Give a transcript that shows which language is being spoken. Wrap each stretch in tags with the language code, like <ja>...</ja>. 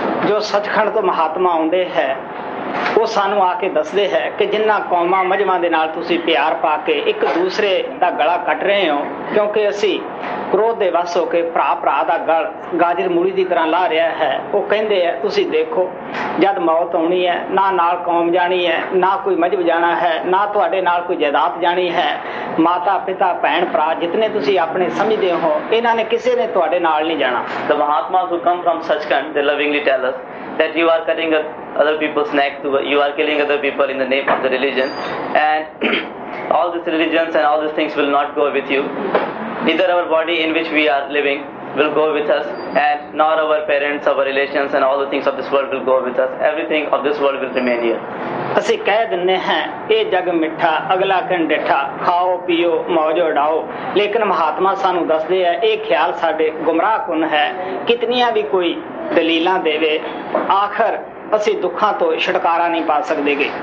<pa>jo sachkhand to mahatma aunde hai ਉਹ ਸਾਨੂੰ ਆ ਕੇ ਦੱਸਦੇ ਹੈ ਕਿ ਜਿੰਨਾ ਕੌਮਾਂ ਮਜ਼ਹਬਾਂ ਦੇ ਨਾਲ ਤੁਸੀਂ ਪਿਆਰ ਪਾ ਕੇ ਇੱਕ ਦੂਸਰੇ ਦਾ ਗਲਾ ਕੱਟ ਰਹੇ ਹੋ ਕਿਉਂਕਿ ਅਸੀਂ ਕ੍ਰੋਧ ਦੇ ਵੱਸ ਹੋ ਕੇ ਭਰਾ ਭਰਾ ਦਾ ਗਲ ਗਾਜਰ ਮੂਲੀ ਦੀ ਤਰ੍ਹਾਂ ਲਾ ਰਿਹਾ ਹੈ ਉਹ ਕਹਿੰਦੇ ਹੈ ਤੁਸੀਂ ਦੇਖੋ ਜਦ ਮੌਤ ਆਉਣੀ ਹੈ ਨਾ ਨਾਲ ਕੌਮ ਜਾਣੀ ਹੈ ਨਾ ਕੋਈ ਮਜ਼ਹਬ ਜਾਣਾ ਹੈ ਨਾ ਤੁਹਾਡੇ ਨਾਲ ਕੋਈ ਜਾਇਦਾਦ ਜਾਣੀ ਹੈ ਮਾਤਾ ਪਿਤਾ ਭੈਣ ਭਰਾ ਜਿਤਨੇ ਤੁਸੀਂ ਆਪਣੇ ਸਮਝਦੇ ਹੋ ਇਹਨਾਂ ਨੇ ਕਿਸੇ ਨੇ ਤੁਹਾਡੇ ਨਾਲ ਨਹੀਂ ਜਾਣਾ</pa> <en>The Mahatma who come from Sachkhand, they lovingly tell us that you are cutting a other people's neck, you are killing other people in the name of the religion and all these religions and all these things will not go with you. Neither our body in which we are living will go with us and nor our parents, our relations and all the things of this world will go with us. Everything of this world will remain here.</en> <pa>ਅਸੀਂ ਕਹਿ ਦਿੰਦੇ ਹਾਂ ਇਹ ਜਗ ਮਿੱਠਾ ਅਗਲਾ ਕੰਡਿੱਠਾ ਖਾਓ ਪੀਓ ਮੌਜ ਉਡਾਓ ਲੇਕਿਨ ਮਹਾਤਮਾ ਸਾਨੂੰ ਦੱਸਦੇ ਹੈ ਇਹ ਖਿਆਲ ਸਾਡੇ ਗੁੰਮਰਾਹਕੁੰਨ ਹੈ ਕਿਤਨੀਆਂ ਵੀ ਕੋਈ ਦਲੀਲਾਂ ਦੇਵੇ ਆਖਰ ਅਸੀਂ ਦੁੱਖਾਂ ਤੋਂ ਛੁਟਕਾਰਾ ਨਹੀਂ ਪਾ ਸਕਦੇ ਗੇ</pa>